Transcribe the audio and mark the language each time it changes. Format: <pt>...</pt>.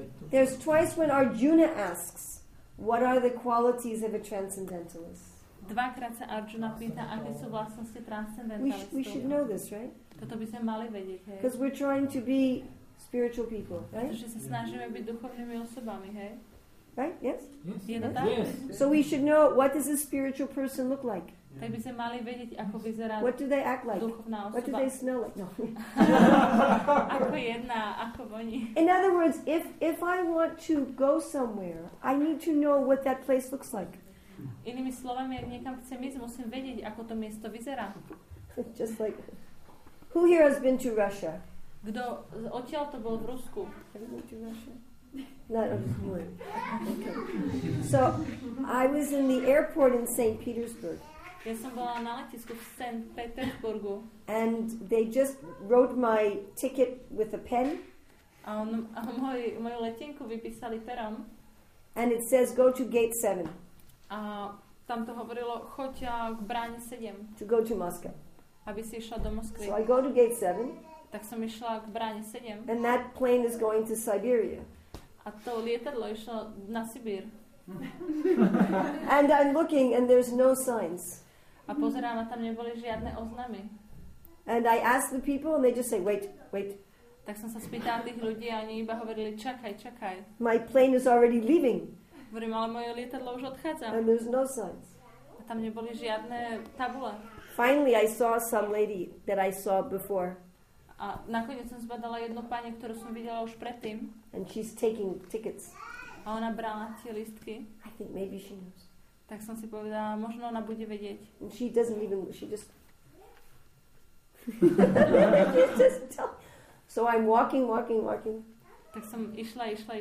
<en>There's twice when Arjuna asks, what are the qualities of a transcendentalist?</en> <sk>Dvakrát sa Arjuna pýta, aké sú vlastnosti transcendentalistov.</sk> <en>We should know this, right?</en> <sk>Toto by sme mali vedieť, hej?</sk> <en>Because we're trying to be spiritual people, right?</en> <sk>Pretože sa snažíme byť duchovnými osobami, hej?</sk> <en>Right? Yes? Yes.</en> <sk>Je to tak?</sk> <en>Yes. So we should know, what does a spiritual person look like?</en> <sk>Tak by sme mali vedieť, ako vyzerá</sk> <en>what do they act like?</en> <sk>Duchovná osoba.</sk> <en>What do they smell like? No.</en> <sk>Ako jedna, ako voní.</sk> <en>In other words, if I want to go somewhere, I need to know what that place looks like.</en> <sk>Inými slovami, ak niekam chcem ísť, musím vedieť, ako to miesto vyzerá.</sk> <en>Just like, who here has been to Russia?</en> <sk>Kto odtiaľ to bol v Rusku?</sk> <en>Have you been to Russia? Not a word. Okay. So, I was in the airport in St. Petersburg.</en> <sk>Ja som bola na letisku v St. Petersburgu.</sk> <en>And they just wrote my ticket with a pen.</en> <sk>A moju letenku vypísali perom.</sk> <en>And it says, go to gate 7.</en> <sk>A tam to hovorilo, choď k bráne 7.</sk> <en>To go to Moscow.</en> <sk>Aby si išla do Moskvy.</sk> <en>So I go to gate 7.</en> <sk>Tak som išla k bráne 7.</sk> <en>And that plane is going to Siberia.</en> <sk>A to lietadlo išlo na Sibír.</sk> <en>And I'm looking and there's no signs.</en> <sk>A pozerám a tam neboli žiadne oznamy.</sk> <en>And I ask the people and they just say, wait.</en> <sk>Tak som sa spýtala tých ľudí a oni iba hovorili, čakaj.</sk> <en>My plane is already leaving.</en> <sk>Ale moje lietadlo už odchádza.</sk> <en>And there's no signs.</en> <sk>A tam neboli žiadne tabule.</sk> <en>Finally I saw some lady that I saw before.</en> <sk>A nakoniec som zbadala jednu pani, ktorú som videla už predtým.</sk> <en>And she's taking tickets.</en> <sk>A ona brala tie listky.</sk> <en>I think maybe she knows.</en> <sk>Tak som si povedala, možno ona bude vedieť.</sk> <en>And she doesn't even, she just... She's just telling... So I'm walking.</en> <sk>Tak som išla.</sk>